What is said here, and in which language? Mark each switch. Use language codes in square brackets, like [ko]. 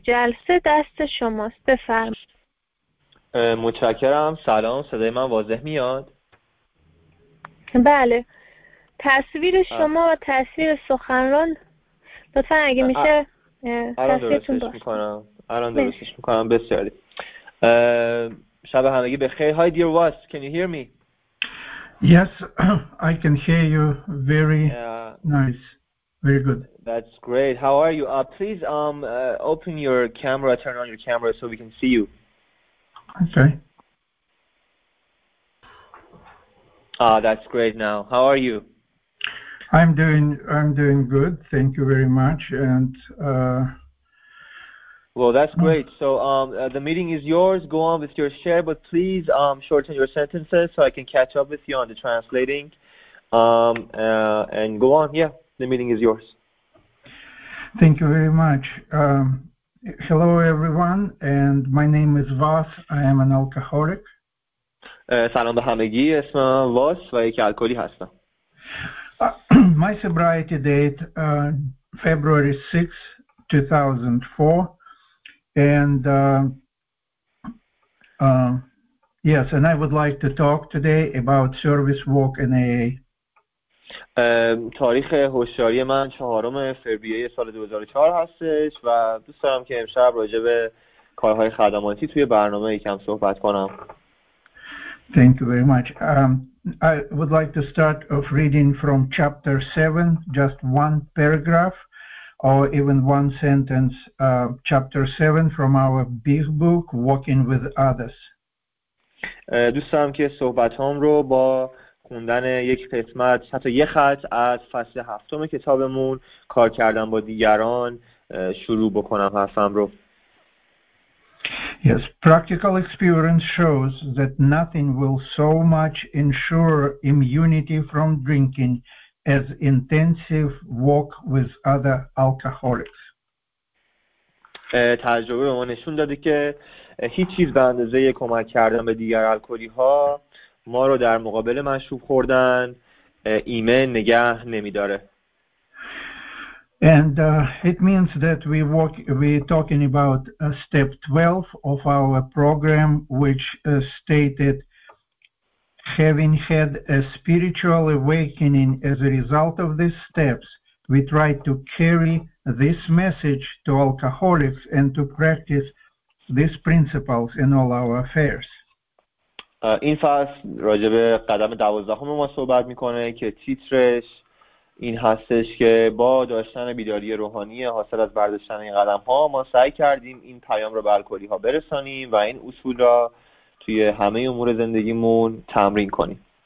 [fa] جلسه دست شماست، بفرمایید. متشکرم. سلام، صدای من واضح میاد؟ بله، تصویر شما و تصویر سخنران لطفا اگه میشه تصویرتون باشه. الان درستش مرسی. میکنم. بسیاری شب همگی بخیر. [en] Hi dear Was, can you hear me? Yes, I can hear you very nice. Very good. That's great. How are you? Please open your camera, turn on your camera so we can see you. Okay. That's great. Now, how are you? I'm doing good. Thank you very much. And well, that's great. So the meeting is yours. Go on with your share, but please shorten your sentences so I can catch up with you on the translating. And go on. Yeah, the meeting is yours. Thank you very much. Hello, everyone. And my name is Vas. I am an alcoholic. [fa] سلام به همگی، اسم من واس و یک الکلی هستم. [en] My sobriety date February 6, 2004 and I would like to talk today about service work in AA. [fa] تاریخ هوشیاری من 4 فوریه سال 2004 هستش و دوست دارم که امشب راجع به کارهای خدماتی توی برنامه یکم صحبت کنم. [en] Thank you very much. I would like to start off reading from chapter 7, just one paragraph or even one sentence. Chapter 7 from our big book, Walking with Others. [fa] دوست دارم که صحبتام رو با خوندن یک قسمت، حتی یک خط از فصل 7 کتابمون کار کردن با دیگران شروع بکنم حرفم رو. [en] Yes, practical experience shows that nothing will so much ensure immunity from drinking as intensive work with other alcoholics. [fa] تجربه ما نشون داده که هیچ چیز به اندازه کمک کردن به دیگر الکلی ها ما رو در مقابل مشروب خوردن ایمن نگه نمی‌داره. [en] And it means that we're talking about step 12 of our program, which stated having had a spiritual awakening as a result of these steps, we try to carry this message to alcoholics and to practice these principles in all our affairs. [fa] این فصل راجع به قدم 12 ما صحبت میکنه که تیترش این هستش که با داشتن بیداری روحانی حاصل از برداشتن این قدم ها ما سعی کردیم این پیام رو به الکلی ها برسانیم و این اصول را توی همه امور زندگیمون تمرین کنیم.